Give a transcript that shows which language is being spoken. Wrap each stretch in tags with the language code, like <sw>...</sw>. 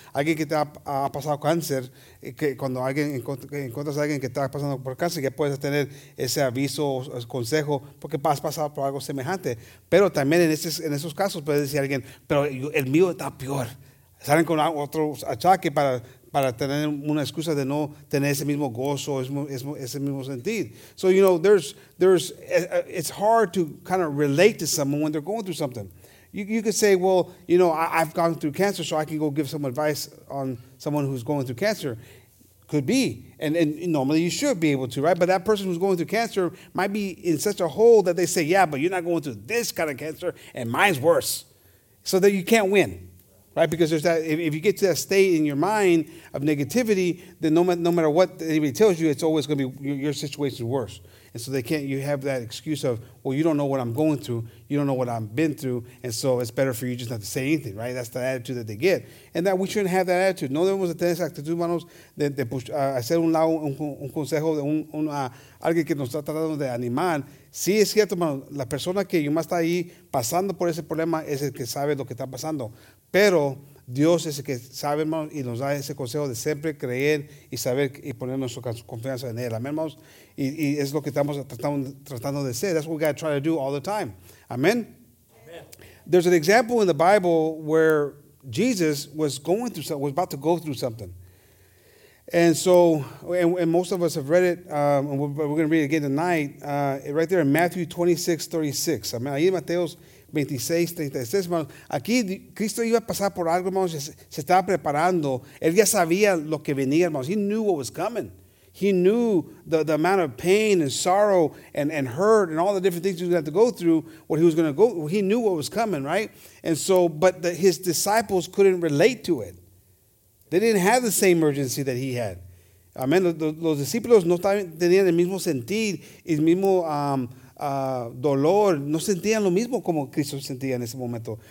<es>Alguien que te ha pasado cáncer, que cuando alguien encuentras a alguien que está pasando por cáncer, ya puedes tener ese aviso o consejo porque has pasado por algo semejante. Pero también en esos casos puedes decir a alguien, pero el mío está peor. Salen con otro achaque para para tener una excusa de no tener ese mismo gozo, ese mismo sentir.</es> <en>So, you know, there's it's hard to kind of relate to someone when they're going through something. You could say, well, you know, I've gone through cancer, so I can go give some advice on someone who's going through cancer. Could be. And normally you should be able to, right? But that person who's going through cancer might be in such a hole that they say, yeah, but you're not going through this kind of cancer, and mine's worse. So that you can't win, right? Because there's that. If you get to that state in your mind of negativity, then no matter what anybody tells you, it's always going to be your situation worse. And so they can't. You have that excuse of, well, you don't know what I'm going through. You don't know what I've been through. And so it's better for you just not to say anything, right? That's the attitude that they get. And that we shouldn't have that attitude.</en> <es>No debemos tener esa actitud, hermanos, de hacer un lado un consejo de un alguien que nos está tratando de animar. Sí, es cierto, hermano. La persona que yo más está ahí pasando por ese problema es el que sabe lo que está pasando. Pero Dios es el que sabe, hermano, y nos da ese consejo de siempre creer y saber y poner nuestra confianza en Él. Amén, hermanos. Y es lo que estamos tratando de hacer.</es> <en>That's what we got to try to do all the time.</en> <es>Amén. Amen.</es> <en>There's an example in the Bible where Jesus was about to go through something. And so, and most of us have read it, but we're going to read it again tonight, right there in Matthew 26:36.</en> <es>Amén. Ahí en Mateo 26:36, hermanos. Aquí Cristo iba a pasar por algo, hermanos. Se estaba preparando. Él ya sabía lo que venía, hermanos.</es> <en>He knew what was coming. He knew the amount of pain and sorrow and hurt and all the different things he was going to have to go through, what he was going to go through. He knew what was coming, right? And so, but his disciples couldn't relate to it. They didn't have the same urgency that he had. Amen.</en> <es>Los discípulos no tenían el mismo sentir, el mismo dolor. No sentían lo mismo como Cristo sentía en ese momento.</es>